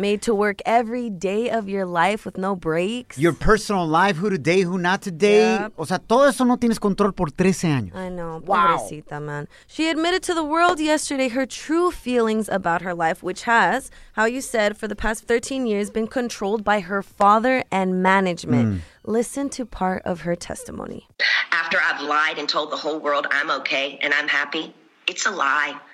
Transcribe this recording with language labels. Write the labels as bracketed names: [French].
[English] Made to work every day of your life with no breaks. Your personal life, who today, who not today. Yep. [Spanish] O sea, todo eso no tienes control por 13 años. [English] I know. [Spanish] Pobrecita, [English] wow. Man. She admitted to the world yesterday her true feelings about her life, which has, how you said, for the past 13 years, been controlled by her father and management. Mm. Listen to part of her testimony. After I've lied and told the whole world I'm okay and I'm happy, it's a lie.